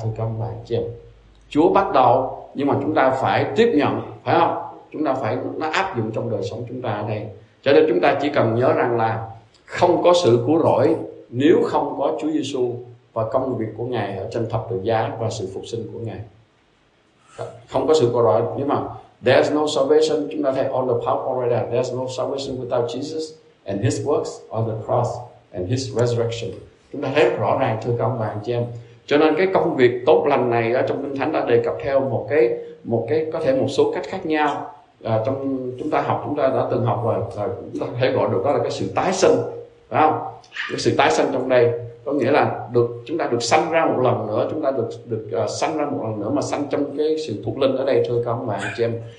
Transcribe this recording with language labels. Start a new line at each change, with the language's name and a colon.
Vietnamese: Thưa các ông bà chị em, Chúa bắt đầu nhưng mà chúng ta phải tiếp nhận, phải không? Chúng ta phải nó áp dụng trong đời sống chúng ta ở đây. Cho nên chúng ta chỉ cần nhớ rằng là không có sự cứu rỗi nếu không có Chúa Giêsu và công việc của Ngài ở trên thập tự giá và sự phục sinh của Ngài. Không có sự cứu rỗi, nhưng mà
English: there's no salvation,
Vietnamese: chúng ta thấy
English: on the power already, there's no salvation without Jesus and his works on the cross and his resurrection.
Vietnamese: Chúng ta thấy rõ ràng, thưa các ông bà anh chị em. Cho nên cái công việc tốt lành này ở trong Kinh Thánh đã đề cập theo một cái có thể một số cách khác nhau. Trong chúng ta học, chúng ta đã từng học rồi, chúng ta thấy gọi được đó là cái sự tái sinh, phải không? Cái sự tái sinh trong đây có nghĩa là được, chúng ta được sanh ra một lần nữa, chúng ta được sanh ra một lần nữa mà sanh trong cái sự thuộc linh ở đây, thưa các ông bà anh chị em.